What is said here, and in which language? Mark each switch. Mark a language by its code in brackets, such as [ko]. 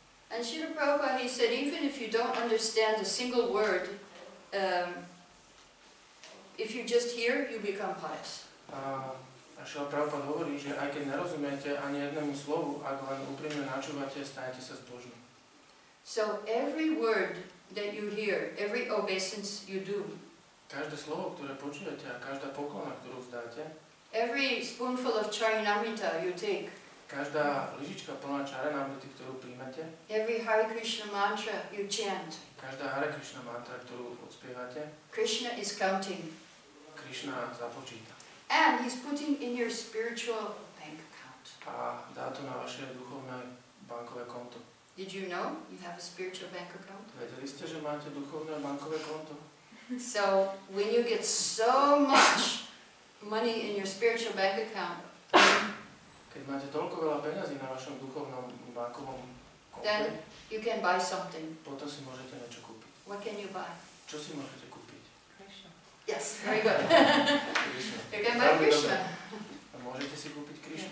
[en] And Srila Prabhupada, he said, even if you don't understand a single word, if you just hear, you become pious. [sk] A Šila Prabhupada hovorí, že aj keď nerozumiete ani jednému slovu, ak len úprimne načúvate, stanete sa zbožným. [en] So every word that you hear, every obeisance you do, [sk] každé slovo, ktoré počujete a každá poklona, ktorú vzdáte, [en] every spoonful of charanamrita you take, [sk] každá lyžička plná charanamrity, ktorú príjmete, [en] every Hare Krishna mantra you chant, [sk] každá Hare Krishna mantra, ktorú odspievate, [en] Krishna is counting. [sk] Krishna započíta. [en] And he's putting in your spiritual bank account. [sk] A dá to na vaše duchovné bankové konto. [en] Did you know you have a spiritual bank account? [sk] Vedeli ste, že máte duchovné bankové konto? [en] So when you get so much money in your spiritual bank account, [sk] keď máte toľko veľa peňazí na vašom duchovnom bankovom konte, [en] then you can buy something. [sk] Potom si môžete niečo kúpiť. [en] What can you buy? [sk] Čo si môžete kúpiť? [en] Yes, very good. You can buy Krishna. [sk] Môžete si kúpiť Krishna.